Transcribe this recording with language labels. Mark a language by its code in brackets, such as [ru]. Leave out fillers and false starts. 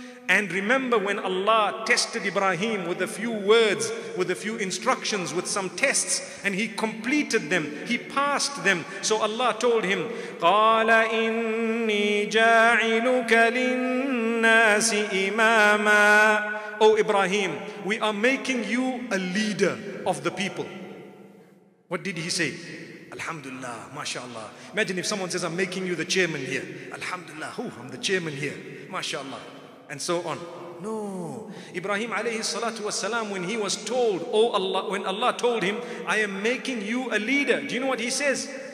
[en] And remember when Allah tested Ibrahim with a few words, with a few instructions, with some tests, and he completed them, he passed them. So Allah told him, [ar] قَالَ إِنِّي جَاعِلُكَ لِلنَّاسِ إِمَامًا. [en] O Ibrahim, we are making you a leader of the people. What did he say? Alhamdulillah, mashallah. Imagine if someone says, I'm making you the chairman here. Alhamdulillah, oh, I'm the chairman here. Mashallah. And so on. No. Ibrahim alayhi salatu wasalam, when he was told, oh Allah, when Allah told him, I am making you a leader. Do you know what he says?